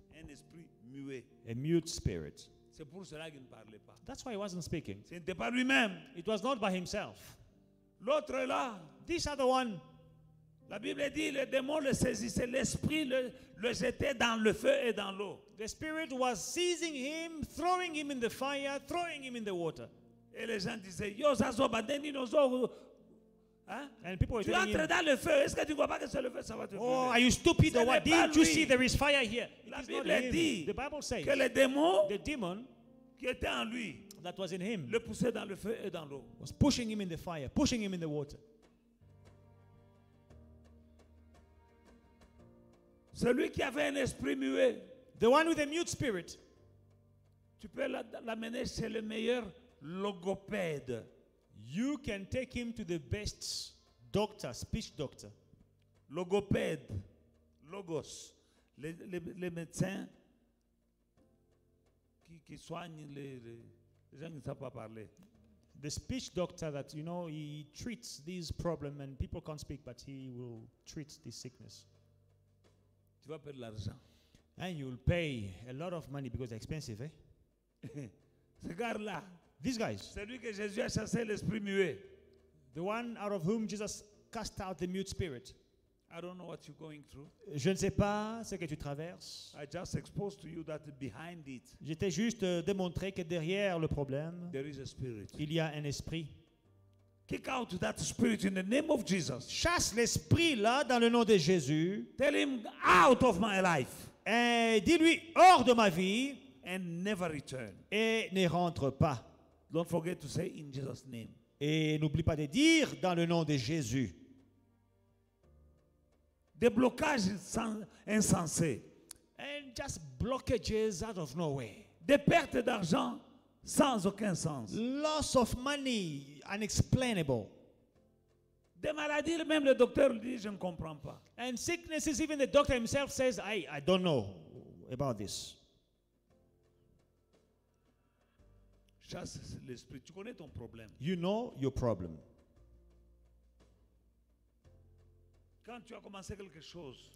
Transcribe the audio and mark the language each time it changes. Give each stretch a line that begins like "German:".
French: Un esprit muet.
English: A mute spirit.
French: C'est pour cela qu'il ne parlait pas.
English: That's why he wasn't speaking.
French: Ce n'était pas lui-même.
English: It was not by himself.
French: L'autre là,
English: this other one.
French: La Bible dit le démon le saisissait, l'esprit le jetait dans le feu et dans l'eau.
English: The spirit was seizing him, throwing him in the fire, throwing him in the water.
French: Et les gens disaient, yo, ça se bat des dinosaures.
English: And people were
French: saying, tu entres dans le feu, est-ce que tu vois pas que c'est le feu, ça va te brûler?
English: Oh, are you stupid or what? Didn't you see there is fire here?
French: La Bible dit,
English: the Bible says,
French: que le démon,
English: the demon,
French: qui était en lui,
English: that was in him,
French: le poussait dans le feu et dans l'eau.
English: Was pushing him in the fire, pushing him in the water.
French: Celui qui avait un esprit muet.
English: The one with a mute spirit.
French: Tu peux l'amener chez le meilleur logopède.
English: You can take him to the best doctor, speech doctor.
French: Logopède. Logos. Les médecins qui soignent les gens qui ne savent pas parler.
English: The speech doctor that, you know, he treats these problems and people can't speak, but he will treat this sickness.
French: Tu vas perdre l'argent.
English: And you'll pay a lot of money because they're expensive, eh?
French: Ce gars-là.
English: These guys.
French: Celui que Jésus a chassé l'esprit muet.
English: The one out of whom Jesus cast out the mute spirit. I don't know what you're going through.
French: Je ne sais pas ce que tu traverses.
English: I just exposed to you that behind it.
French: J'étais juste démontré que derrière le problème,
English: there is a spirit.
French: Il y a un esprit.
English: Kick out that spirit in the name of Jesus.
French: Chasse l'esprit là dans le nom de Jésus.
English: Tell him out of my life.
French: Et dis-lui hors de ma vie.
English: And never return.
French: Et ne rentre pas.
English: Don't forget to say in Jesus' name.
French: Et n'oublie pas de dire dans le nom de Jésus. Des blocages insensés.
English: And just blockages out of nowhere.
French: Des pertes d'argent. Sans aucun sens.
English: Loss of money, unexplainable.
French: Des maladies, même le docteur dit, je ne comprends pas.
English: And sicknesses, even the doctor himself says, I don't know about this.
French: Chasse l'esprit, tu connais ton problème.
English: You know your problem.
French: Quand tu as commencé quelque chose,